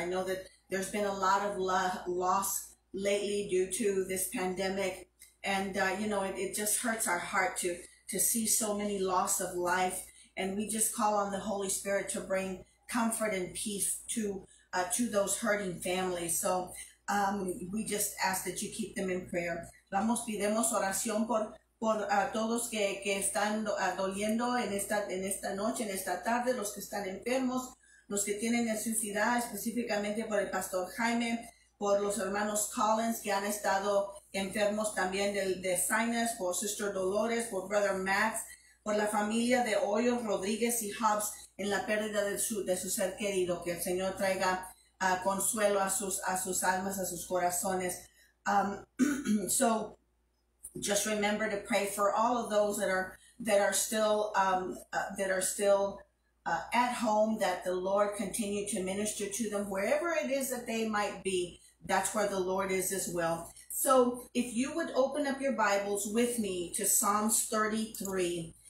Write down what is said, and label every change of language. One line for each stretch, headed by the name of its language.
English: I know that there's been a lot of loss lately due to this pandemic. And it just hurts our heart to see so many loss of life. And we just call on the Holy Spirit to bring comfort and peace to those hurting families. So we just ask that you keep them in prayer.
Spanish: Vamos, pidemos oración por todos que están doliendo en esta noche, en esta tarde, los que están enfermos, los que tienen necesidad, específicamente por el Pastor Jaime, por los hermanos Collins que han estado enfermos también de sinus, por Sister Dolores, por Brother Max, por la familia de Hoyos, Rodríguez y Hobbs en la pérdida de su ser querido. Que el Señor traiga consuelo a sus almas, a sus corazones.
English: So just remember to pray for all of those that are still at home, that the Lord continue to minister to them wherever it is that they might be. That's where the Lord is as well. So if you would open up your Bibles with me to Psalms 33.